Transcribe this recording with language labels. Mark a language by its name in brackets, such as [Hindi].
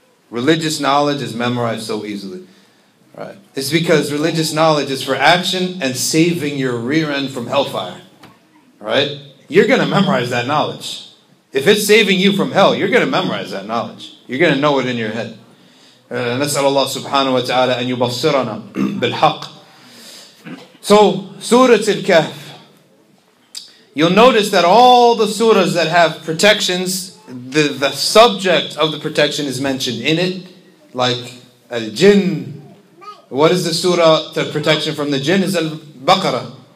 [English] Religious knowledge is memorized so easily. Right? It's because religious knowledge is for action and saving your rear end from hellfire. Right? You're going to memorize that knowledge. If it's saving you from hell, you're going to memorize that knowledge. You're going to know it in your head. [Arabic] نسأل الله سبحانه وتعالى أن يبصرنا بالحق. [English] So, Surah Al-Kahf. You'll notice that all the surahs that have protections, the subject of the protection is mentioned in it, like al-jinn. What is the surah to protection from the jinn? Is al-baqarah.